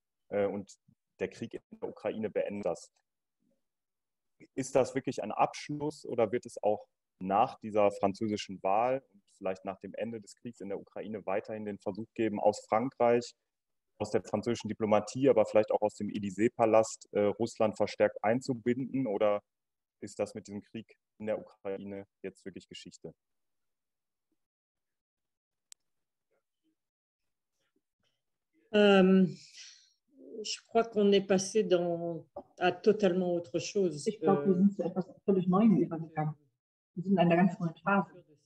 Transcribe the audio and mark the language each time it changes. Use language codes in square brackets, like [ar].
[de] Und der Krieg in der Ukraine beendet das. Ist das wirklich ein Abschluss oder wird es auch nach dieser französischen Wahl und vielleicht nach dem Ende des Kriegs in der Ukraine weiterhin den Versuch geben, aus Frankreich, aus der französischen Diplomatie, aber vielleicht auch aus dem Élysée-Palast Russland verstärkt einzubinden? Oder ist das mit diesem Krieg in der Ukraine jetzt wirklich Geschichte? [fr] Je crois qu'on est passé à totalement autre chose. [de] Ich glaube, wir sind zu etwas völlig Neuem übergegangen. Wir sind in einer ganz neuen Phase.